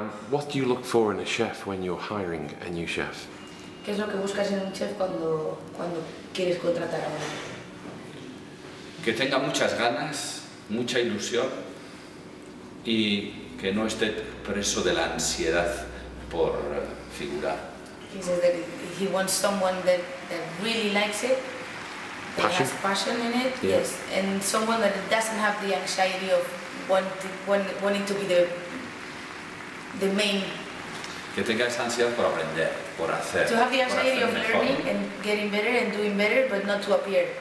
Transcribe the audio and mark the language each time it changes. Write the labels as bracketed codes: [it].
[en] What do you look for in a chef when you're hiring a new chef? [es] ¿Qué es lo que buscas en un chef cuando quieres contratar a uno? Que tenga muchas ganas, mucha ilusión y que no esté preso de la ansiedad por figurar. [en] He says that he wants someone that that really likes it. Passion? Has passion in it, yeah. Yes. And someone that doesn't have the anxiety of wanting to be the main. [es] Que tenga esa ansiedad por aprender, por hacer. [en] To have the anxiety of learning and getting better and doing better, but not to appear.